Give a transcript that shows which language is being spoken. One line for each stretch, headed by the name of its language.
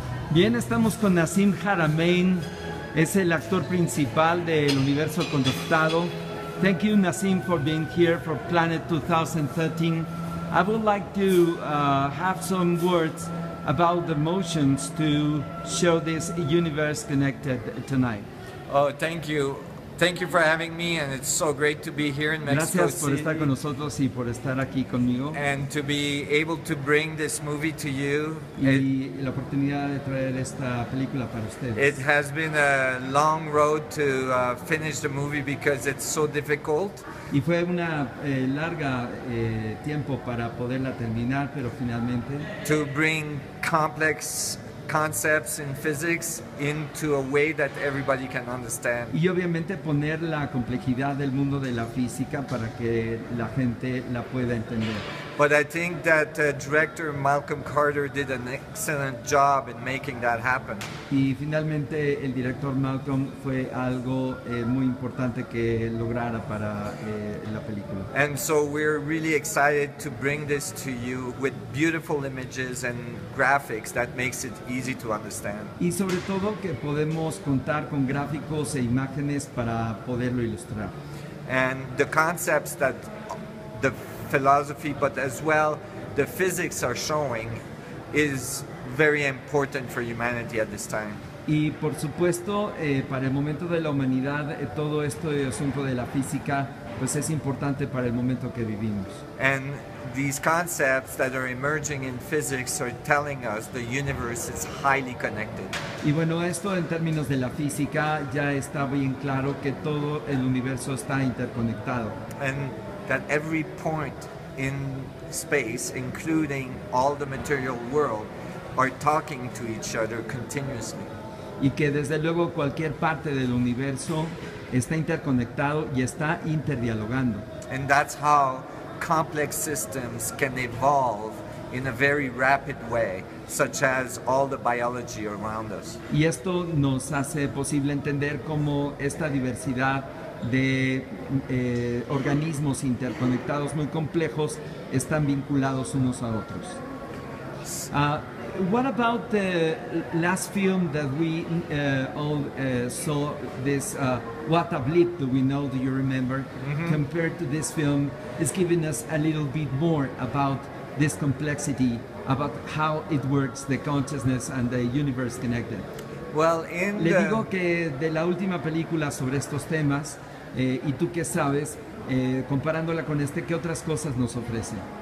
Spanish: Bien, estamos con Nassim Haramein, es el actor principal del Universo Conectado.
English: Thank you, Nassim, for being here for Planet 2013. I would like to have some words about the motions to show this Universe Connected tonight. Oh, thank you. Thank you for having me, and it's so great to be here in Mexico City.
Spanish: Gracias por estar con nosotros y por estar aquí conmigo.
English: And to be able to bring this movie to you.
Spanish: Y la oportunidad de traer esta película para ustedes.
English: It has been a long road to finish the movie because it's so difficult.
Spanish: Y fue una larga tiempo para poderla terminar, pero finalmente.
English: To bring complex concepts in physics into a way that everybody can understand.
Spanish: Y obviamente poner la complejidad del mundo de la física para que la gente la pueda entender.
English: But I think that director Malcolm Carter did an excellent job in making that happen.
Spanish: Y finalmente el director Malcolm fue algo muy importante que lograra para la película.
English: And so we're really excited to bring this to you with beautiful images and graphics that makes it easy to understand.
Spanish: Y sobre todo que podemos contar con gráficos e imágenes para poderlo ilustrar.
English: And the concepts that the philosophy, but as well the physics are showing, is very important for humanity at this time.
Spanish: Y por supuesto, para el momento de la humanidad, todo esto de asunto de la física, pues es importante para el momento que vivimos.
English: And these concepts that are emerging in physics are telling us the universe is highly connected.
Spanish: Y bueno, esto en términos de la física ya está bien claro que todo el universo está interconectado.
English: And that every point in space, including all the material world, are talking to each other continuously.
Spanish: Y que desde luego cualquier parte del universo está interconectado y está interdialogando.
English: And that's how complex systems can evolve in a very rapid way, such as all the biology around us.
Spanish: Y esto nos hace posible entender cómo esta diversidad de organismos interconectados muy complejos están vinculados unos a otros.
English: What about the last film that we all saw, this What a Blip, do we know, do you remember? Mm-hmm. Compared to this film, it's giving us a little bit more about this complexity, about how it works, the consciousness and the universe connected. Well, in
Spanish: le digo que de la última película sobre estos temas, y tú qué sabes, comparándola con este, ¿qué otras cosas nos ofrece?